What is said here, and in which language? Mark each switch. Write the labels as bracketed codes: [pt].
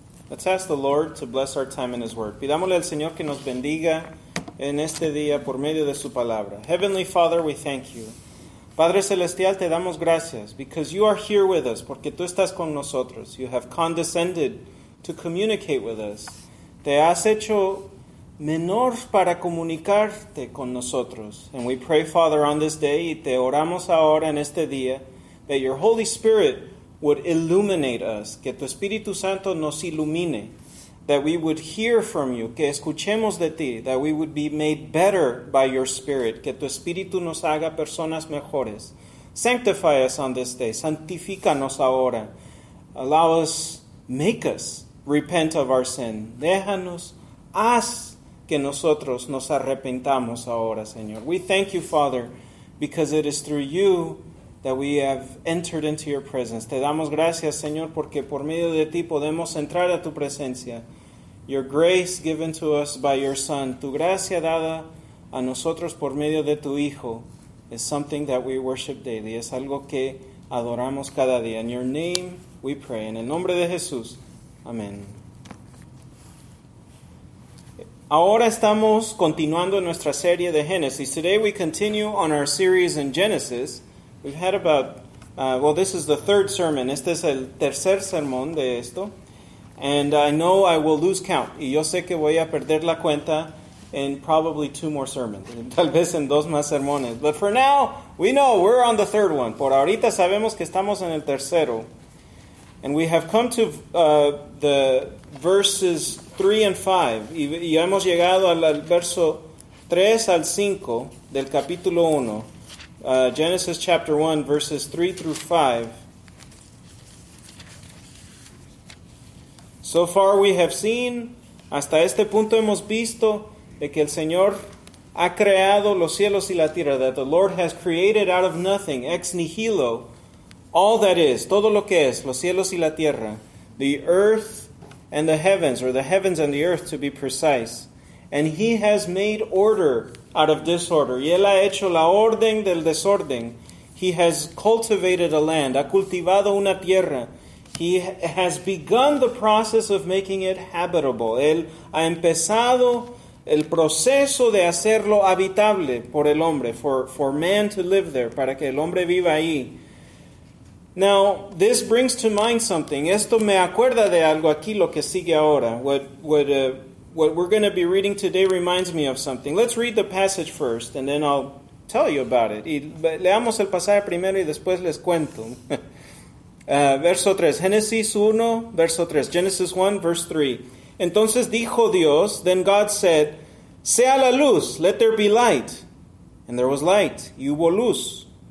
[en] Let's ask the Lord to bless our time in His Word. [es] Pidámosle al Señor que nos bendiga en este día por medio de su palabra. [en] Heavenly Father, we thank you. [es] Padre Celestial, te damos gracias [en] because you are here with us, [es] porque tú estás con nosotros. [en] You have condescended to communicate with us. [es] Te has hecho menor para comunicarte con nosotros. [en] And we pray, Father, on this day, [es] y te oramos ahora en este día, [en] that your Holy Spirit would illuminate us, [es] que tu Espíritu Santo nos ilumine, [en] that we would hear from you, [es] que escuchemos de ti, [en] that we would be made better by your Spirit, [es] que tu Espíritu nos haga personas mejores. [en] Sanctify us on this day, [es] santifícanos ahora. [en] Allow us, make us repent of our sin. [es] Déjanos, haz que nosotros nos arrepentamos ahora, Señor. [en] We thank you, Father, because it is through you that we have entered into your presence. [es] Te damos gracias, Señor, porque por medio de ti podemos entrar a tu presencia. [en] Your grace given to us by your Son, [es] tu gracia dada a nosotros por medio de tu Hijo, [en] is something that we worship daily. [es] Es algo que adoramos cada día. [en] In your name we pray. [es] En el nombre de Jesús. Amén. Ahora estamos continuando nuestra serie de Génesis. [en] Today we continue on our series in Genesis. We've had about, this is the third sermon. [es] Este es el tercer sermón de esto. [en] And I know I will lose count. [es] Y yo sé que voy a perder la cuenta [en] in probably two more sermons. [es] Tal vez en dos más sermones. [en] But for now, we know we're on the third one. [es] Por ahorita sabemos que estamos en el tercero. [en] And we have come to the verses 3 and 5. [es] Y hemos llegado al verso 3 al 5 del capítulo 1. [en] Genesis chapter 1, verses 3 through 5. So far we have seen, [es] hasta este punto hemos visto, de que el Señor ha creado los cielos y la tierra, [en] that the Lord has created out of nothing, ex nihilo, all that is, [es] todo lo que es, los cielos y la tierra, [en] the earth and the heavens, or the heavens and the earth to be precise. And he has made order out of disorder. [es] Y él ha hecho la orden del desorden. [en] He has cultivated a land. [es] Ha cultivado una tierra. [en] He has begun the process of making it habitable. [es] Él ha empezado el proceso de hacerlo habitable por el hombre. [en] For man to live there. [es] Para que el hombre viva ahí. [en] Now, this brings to mind something. [es] Esto me acuerda de algo aquí lo que sigue ahora. [en] What we're going to be reading today reminds me of something. Let's read the passage first, and then I'll tell you about it. [es] Leamos el pasaje primero y después les cuento. Verso 3, Génesis 1, verso 3, [en] Genesis 1, verse 3. [es] Entonces dijo Dios, [en] then God said, [es] sea la luz, [en] let there be light. And there was light, [es] y hubo luz.